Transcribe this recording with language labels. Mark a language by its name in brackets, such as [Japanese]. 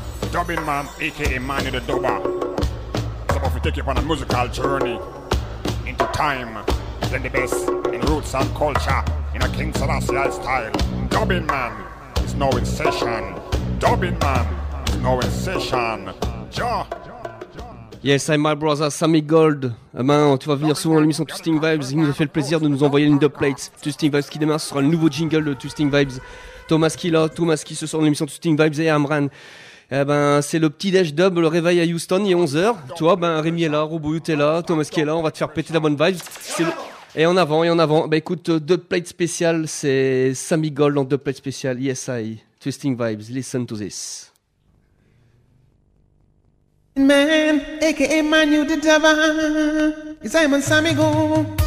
[English] Dubbing man, aka Manny the Dubber. So, if we take you on a musical journey into time, then the best in roots and culture in a King Selassie style. Dubbing man is now in session. Dubbing man is now in session. Ja. Yes, I'm my brother Sammy Gold. [French] Tu vas venir souvent à l'émission Twisting Vibes. Il nous a fait le plaisir de nous envoyer une dubplate. Twisting Vibes qui démarre, ce sera le nouveau jingle de Twisting Vibes. Thomas qui est là, Thomas qui se sort de l'émission Twisting Vibes et Amran. C'est le petit déj dub, le réveil à Houston, il est 11h. Toi, Rémi est là, Robouyout est là, Thomas qui est là, on va te faire péter la bonne vibe. Et en avant, et en avant. Écoute, dubplate spécial, c'est Sammy Gold en dubplate spécial. [English] Yes, I. Twisting Vibes, listen to this. Man, aka Manu the Dubber, it's Simon Sammy Go.